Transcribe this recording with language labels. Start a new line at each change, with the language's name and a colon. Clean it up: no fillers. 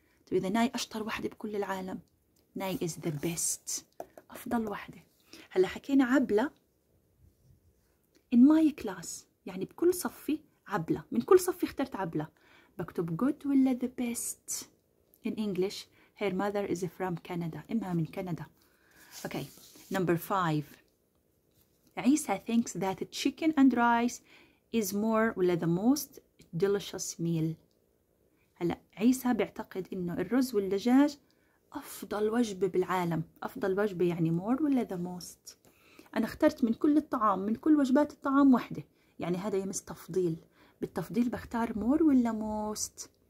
Arabic: طيب إذا ناي أشطر واحدة بكل العالم، ناي
English: is the best،
Arabic: أفضل واحدة. هلا حكينا عبلة in my class يعني بكل صفي عبلة، من كل صفي اخترت عبلة، بكتب good ولا the best.
English: in English her mother is from Canada،
Arabic: إمها من كندا.
English: Okay number five. عيسى thinks that chicken and rice is more ولا the most delicious meal.
Arabic: هلا عيسى بيعتقد انه الرز والدجاج افضل وجبة بالعالم، افضل وجبة يعني more ولا the most. انا اخترت من كل الطعام، من كل وجبات الطعام واحدة، يعني هذا يمس تفضيل، بالتفضيل بختار more ولا most.